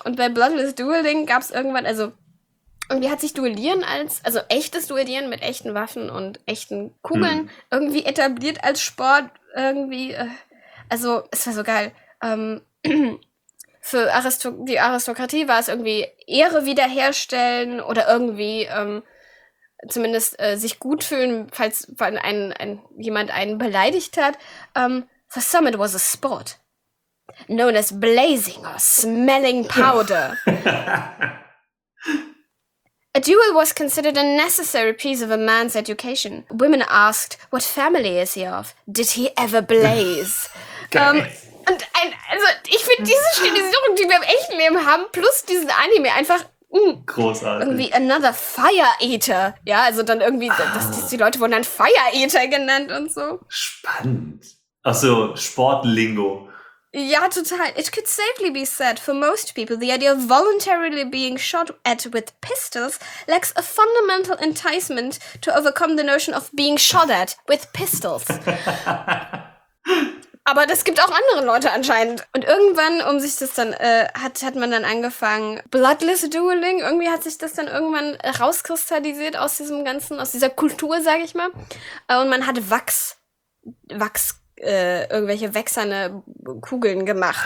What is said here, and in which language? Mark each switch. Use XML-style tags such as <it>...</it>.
<de>Und bei Bloodless Dueling gab's irgendwann, also irgendwie hat sich Duellieren als, also echtes Duellieren mit echten Waffen und echten Kugeln irgendwie etabliert als Sport irgendwie, also es war so geil, für die Aristokratie war es irgendwie Ehre wiederherstellen oder irgendwie zumindest sich gut fühlen, falls jemand einen beleidigt hat.</de> <en>For some it was a sport. Known as blazing or smelling powder. A duel was considered a necessary piece of a man's education. Women asked, what family is he of? Did he ever blaze?</en> <de>Und ich finde diese Stilisierung, die wir im echten Leben haben, plus diesen Anime einfach großartig. Irgendwie</de> <en>another Fire Eater.</en> <de>Ja, also dann irgendwie, die Leute wurden dann Fire Eater genannt und so. Spannend. Achso, Sportlingo. Ja, total.</de> <en>It could safely be said, for most people, the idea of voluntarily being shot at with pistols lacks a fundamental enticement to overcome the notion of being shot at with pistols.</en> <de>Aber das gibt auch andere Leute anscheinend. Und irgendwann, um sich das dann, hat man dann angefangen, Bloodless Dueling, irgendwie hat sich das dann irgendwann rauskristallisiert aus diesem Ganzen, aus dieser Kultur, sag ich mal. Und man hat Wachs, irgendwelche wächserne Kugeln gemacht.</de>